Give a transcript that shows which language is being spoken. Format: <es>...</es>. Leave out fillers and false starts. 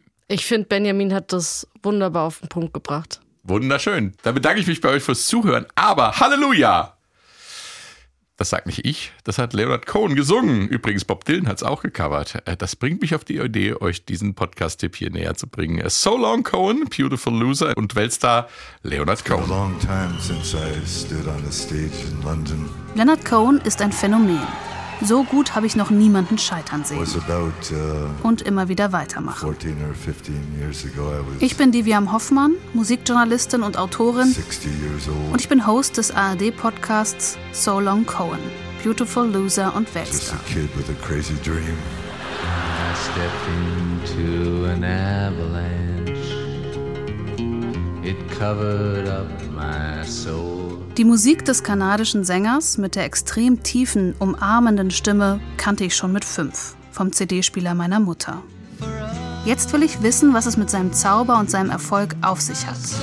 <de>Ich finde, Benjamin hat das wunderbar auf den Punkt gebracht. Wunderschön. Da bedanke ich mich bei euch fürs Zuhören. Aber Halleluja! Das sag nicht ich, das hat Leonard Cohen gesungen. Übrigens, Bob Dylan hat es auch gecovert. Das bringt mich auf die Idee, euch diesen Podcast-Tipp hier näher zu bringen. So long, Cohen, Beautiful Loser und Weltstar Leonard Cohen.</de> <en>A long time since I stood on a stage in London.</en> <de>Leonard Cohen ist ein Phänomen. So gut habe ich noch niemanden scheitern sehen. Und immer wieder weitermachen.</de> <en>14 or 15 years ago, I was,</en> <de>ich bin Diviam Hoffmann, Musikjournalistin und Autorin.</de> <en>60 years old.</en> <de>Und ich bin Host des ARD-Podcasts So Long Cohen, Beautiful Loser und Weltstar.</de> <en>Just a kid with a crazy dream. I stepped into an avalanche. It covered up my soul.</en> <de>Die Musik des kanadischen Sängers mit der extrem tiefen, umarmenden Stimme kannte ich schon mit 5 vom CD-Spieler meiner Mutter. Jetzt will ich wissen, was es mit seinem Zauber und seinem Erfolg auf sich hat.</de>